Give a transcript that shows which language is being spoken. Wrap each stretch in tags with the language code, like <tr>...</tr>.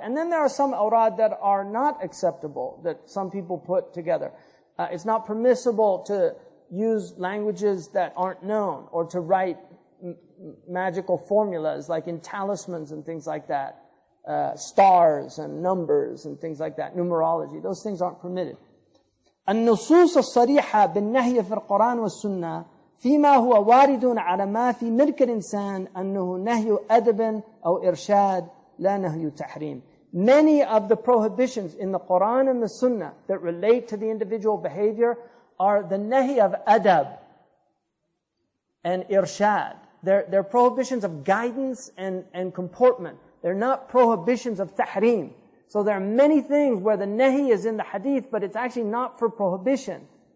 <en>And then there are some awrad that are not acceptable, that some people put together. It's not permissible to use languages that aren't known, or to write magical formulas, like in talismans and things like that. Stars and numbers and things like that, numerology. Those things aren't permitted.</en> <ar>النصوص الصريحة بالنهي في القرآن والسنة فيما هو وارد على ما في ملك الإنسان أنه نهي أدب أو إرشاد لا نهي تحريم.</ar> <en>Many of the prohibitions in the Quran and the Sunnah that relate to the individual behavior are the nahi of adab and irshad. They're prohibitions of guidance and comportment. They're not prohibitions of tahreem. So there are many things where the nahi is in the hadith, but it's actually not for prohibition.</en>